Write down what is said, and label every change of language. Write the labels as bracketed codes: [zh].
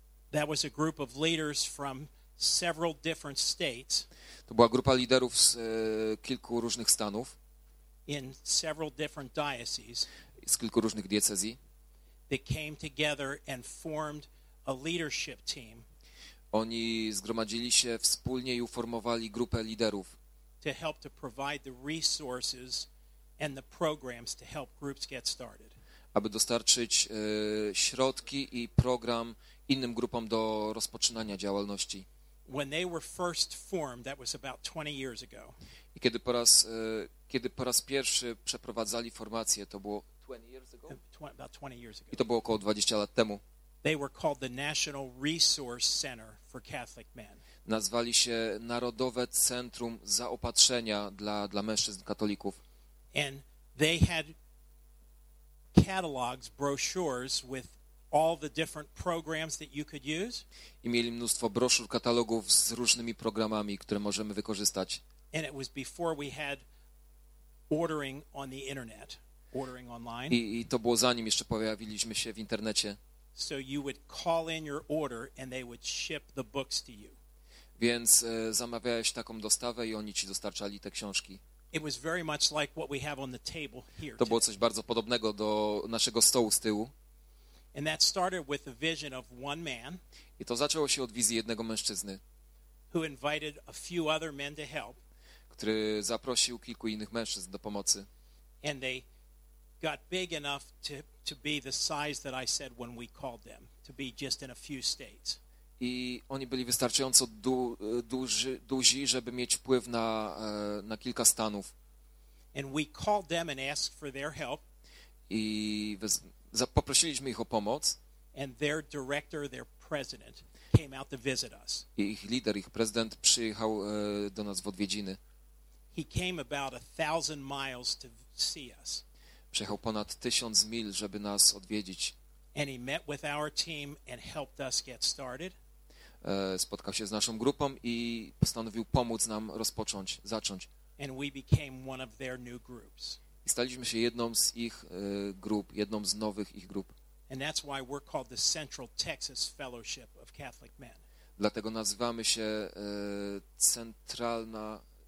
[en] That was a group of leaders from several different states. [pl] To była grupa liderów z kilku różnych stanów, [en] in several different dioceses, [pl] z kilku różnych diecezji. [en] They came together and formed a leadership team. [pl] Oni zgromadzili się wspólnie i uformowali grupę liderów. [en] To help to provide the resources and the programs to help groups get started. [pl] Aby dostarczyć środki i program innym grupom do rozpoczynania działalności. [en] When they were first formed, that was about 20 years ago. [pl] I kiedy po raz pierwszy przeprowadzali formację, to było [en] 20 years ago. About 20 years ago. [pl] I to było około 20 lat temu. [en] They were called the National Resource Center for Catholic Men. [pl] Nazwali się Narodowe Centrum Zaopatrzenia dla mężczyzn katolików. [en] And they had catalogs, brochures with all the different programs that you could use. [pl] I mieli mnóstwo broszur, katalogów z różnymi programami, które możemy wykorzystać. [en] And it was before we had ordering on the internet, ordering online. [pl] I to było zanim jeszcze pojawiliśmy się w internecie. [en] So you would call in your order and they would ship the books to you. [pl] Więc zamawiałeś taką dostawę i oni ci dostarczali te książki. [en] It was very much like what we have on the table here. [pl] To było coś bardzo podobnego do naszego stołu z tyłu. [en] And that started with the vision of one man. [pl] I to zaczęło się od wizji jednego mężczyzny. [en] Who invited a few other men to help. [pl] Który zaprosił kilku innych mężczyzn do pomocy. [en] And they got big enough to be the size that I said when we called them, to be just in a few states. [pl] I oni byli wystarczająco duzi, żeby mieć wpływ na kilka stanów. [en] And we called them and asked for their help. [pl] I poprosiliśmy ich o pomoc. [en] And their director, their president came out to visit us. [pl] I ich lider, ich prezydent przyjechał do nas w odwiedziny. [en] He came about 1,000 miles to see us. [pl] Przejechał ponad 1000 mil, żeby nas odwiedzić. [en] And he met with our team and helped us get started. [pl] Spotkał się z naszą grupą i postanowił pomóc nam rozpocząć, zacząć. [en] And we became one of their new groups. [pl] I staliśmy się jedną z ich grup, jedną z nowych ich grup. [en] And that's why we're called the Central Texas Fellowship of Catholic Men. [pl] Dlatego nazywamy się Centralna...